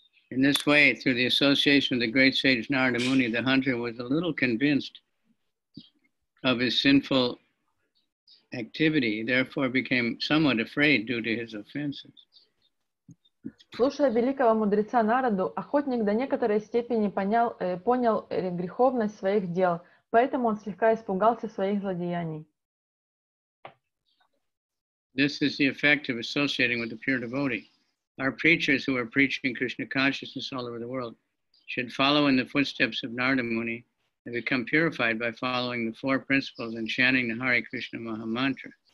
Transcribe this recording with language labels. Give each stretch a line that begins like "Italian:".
English: In this way, through the association of the great sage Narada Muni, the hunter was a little convinced of his sinful activity, therefore became somewhat afraid due to his offenses.
Russian: Слушая великого мудреца Нараду, охотник до некоторой степени понял, понял греховность своих дел, поэтому он слегка испугался своих злодеяний.
English: This is the effect of associating with a pure devotee. Our preachers who are preaching Krishna consciousness all over the world should follow in the footsteps of Narada Muni and become purified by following the four principles and chanting the Hare Krishna Maha Mantra.